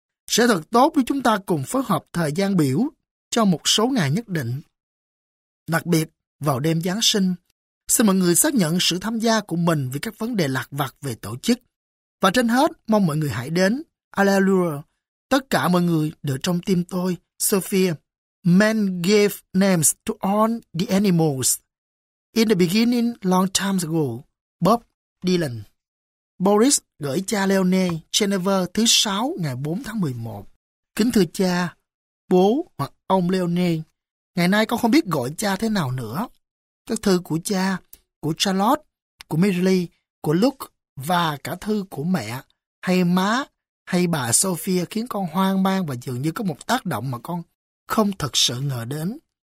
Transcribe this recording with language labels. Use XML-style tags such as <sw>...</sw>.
<vi>Sẽ thật tốt nếu chúng ta cùng phối hợp thời gian biểu cho một số ngày nhất định, đặc biệt vào đêm Giáng sinh. Xin mọi người xác nhận sự tham gia của mình vì các vấn đề lặt vặt về tổ chức. Và trên hết, mong mọi người hãy đến. Alleluia. Tất cả mọi người đều trong tim tôi. Sophia.</vi> <en>Men gave names to all the animals. In the beginning, long times ago. Bob Dylan.</en> <vi>Boris gửi cha Leone, Geneva thứ 6 ngày 4 tháng 11. Kính thưa cha, bố hoặc ông Leone, ngày nay con không biết gọi cha thế nào nữa. Các thư của cha, của Charlotte, của Mary, của Luke và cả thư của mẹ hay má hay bà Sophia khiến con hoang mang và dường như có một tác động mà con không thực sự ngờ đến.</vi>